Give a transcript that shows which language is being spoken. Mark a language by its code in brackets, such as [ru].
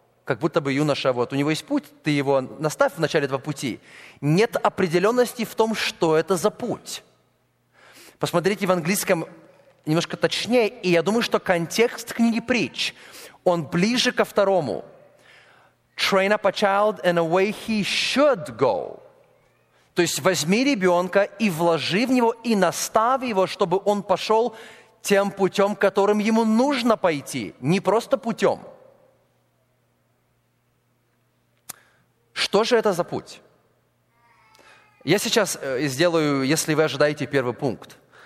[ru] Как будто бы юноша, вот у него есть путь, ты его наставь в начале этого пути. Нет определенности в том, что это за путь. Посмотрите в английском немножко точнее, и я думаю, что контекст книги притч, он ближе ко второму. [en] Train up a child in a way he should go. [ru] То есть возьми ребенка и вложи в него, и наставь его, чтобы он пошел тем путем, которым ему нужно пойти, не просто путем. Что же это за путь? Я сейчас сделаю, если вы ожидаете, первый пункт.